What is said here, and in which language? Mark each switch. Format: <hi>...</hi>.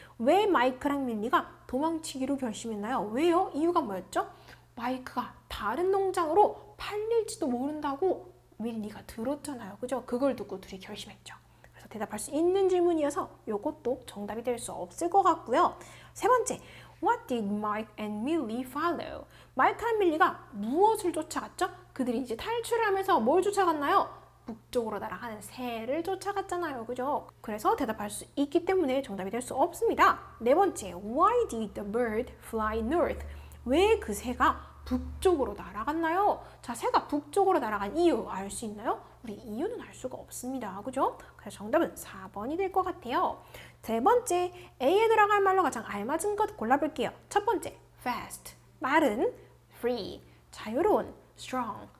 <ko>왜 마이크랑 밀리가 도망치기로 결심했나요? 왜요? 이유가 뭐였죠? 마이크가 다른 농장으로 팔릴지도 모른다고 밀리가 들었잖아요. 그죠? 그걸 두고 둘이 결심했죠. 그래서 대답할 수 있는 질문이어서 이것도 정답이 될 수 없을 것 같고요. 세 번째,</ko> <en>What did Mike and Millie follow?</en> <ko>마이크랑 밀리가 무엇을 쫓아갔죠? 그들이 이제 탈출을 하면서 뭘 쫓아갔나요? 북쪽으로 날아가는 새를 쫓아갔잖아요. 그죠? 그래서 대답할 수 있기 때문에 정답이 될수 없습니다. 네 번째,</ko> <en>Why did the bird fly north?</en> <ko>왜그 새가 북쪽으로 날아갔나요? 자, 새가 북쪽으로 날아간 이유 알수 있나요? 우리 이유는 알 수가 없습니다. 그죠? 그래서 정답은 4번이 될것 같아요. 세 번째, A에 들어갈 말로 가장 알맞은 것 골라볼게요. 첫 번째, fast. 빠른, free. 자유로운, strong.</ko>